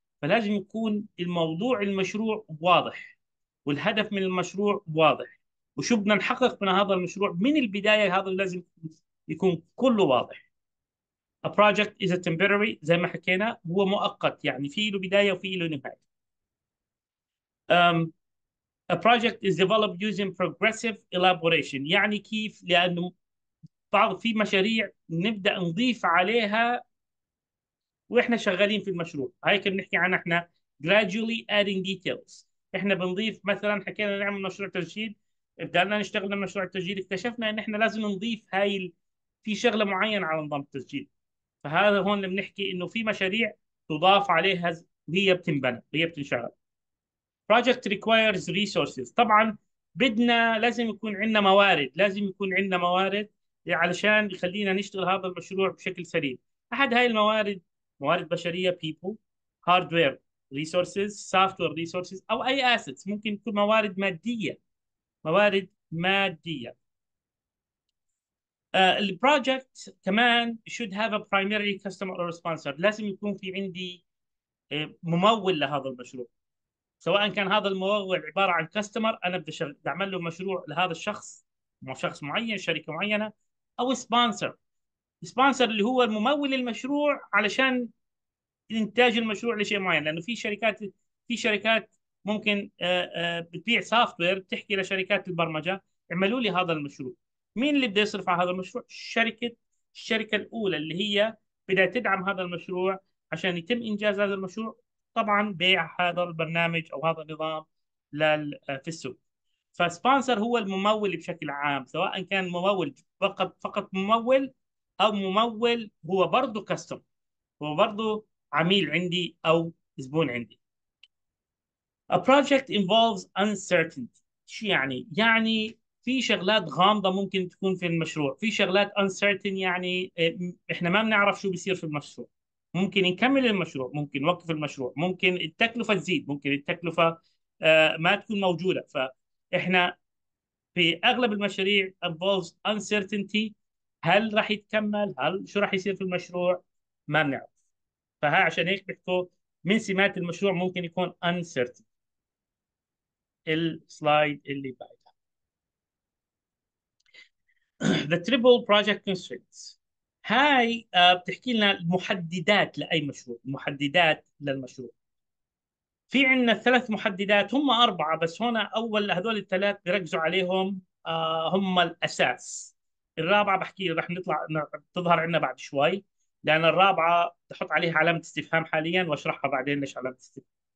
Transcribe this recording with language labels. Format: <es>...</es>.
<ar>فلازم يكون الموضوع المشروع واضح والهدف من المشروع واضح، وشو بدنا نحقق من هذا المشروع من البدايه. هذا لازم يكون كله واضح.</ar> <en>A project is a temporary</en> <ar>زي ما حكينا، هو مؤقت يعني في له بدايه وفي له نهايه.</ar> <en>A project is developed using progressive elaboration.</en> <ar>يعني كيف؟ لأنه بعض في مشاريع نبدأ نضيف عليها وإحنا شغالين في المشروع. هاي كنا نحكي عنها إحنا</ar> <en>gradually adding details.</en> <ar>إحنا بنضيف مثلاً حكينا نعمل مشروع تسجيل، بدأنا نشتغل على مشروع التسجيل اكتشفنا إن إحنا لازم نضيف هاي في شغلة معينة على نظام التسجيل. فهذا هون اللي بنحكي إنه في مشاريع تضاف عليها وهي بتنبنى وهي بتنشغل.</ar> <en>Project requires resources.</en> <ar>طبعا بدنا لازم يكون عندنا موارد، لازم يكون عندنا موارد علشان يخلينا نشتغل هذا المشروع بشكل سريع. احد هاي الموارد موارد بشريه، بيبل، هاردوير ريسورسز، سوفت وير ريسورسز، او اي اسيتس. ممكن تكون موارد ماديه، موارد ماديه. البروجكت كمان</ar> <en>should have a primary customer or sponsor.</en> <ar>لازم يكون في عندي ممول لهذا المشروع، سواء كان هذا الممول عبارة عن كاستمر أنا بدي أعمل له مشروع لهذا الشخص، مو شخص معين، شركة معينة، أو سبونسر. سبونسر اللي هو الممول للمشروع علشان إنتاج المشروع لشيء معين، لأنه في شركات ممكن بتبيع سوفت وير، بتحكي لشركات البرمجة اعملوا لي هذا المشروع. مين اللي بده يصرف على هذا المشروع؟ الشركة الأولى اللي هي بدها تدعم هذا المشروع عشان يتم إنجاز هذا المشروع، طبعا بيع هذا البرنامج أو هذا النظام في السوق. فسبونسر هو الممول بشكل عام، سواء كان ممول فقط ممول، أو ممول هو برضه كاستم، هو برضه عميل عندي أو زبون عندي.</ar> <en>A project involves uncertainty.</en> <ar>شو يعني؟ يعني في شغلات غامضة ممكن تكون في المشروع، في شغلات uncertain يعني احنا ما بنعرف شو بيصير في المشروع. ممكن نكمل المشروع، ممكن نوقف المشروع، ممكن التكلفة تزيد، ممكن التكلفة ما تكون موجودة. فاحنا في اغلب المشاريع</ar> <en>involves uncertainty،</en> <ar>هل راح يتكمل؟ هل شو راح يصير في المشروع؟ ما بنعرف. فها عشان هيك بحكوا من سمات المشروع ممكن يكون uncertain. السلايد اللي بعد</ar> <en>The triple project constraints.</en> <ar>هاي بتحكي لنا المحددات لأي مشروع، محددات للمشروع. في عندنا 3 محددات، هم 4 بس هنا أول هذول الثلاث بيركزوا عليهم، هم الأساس. الرابعة بحكي رح نطلع تظهر عندنا بعد شوي، لأن الرابعة تحط عليها علامة استفهام حاليا وأشرحها بعدين ليش علامة استفهام.</ar>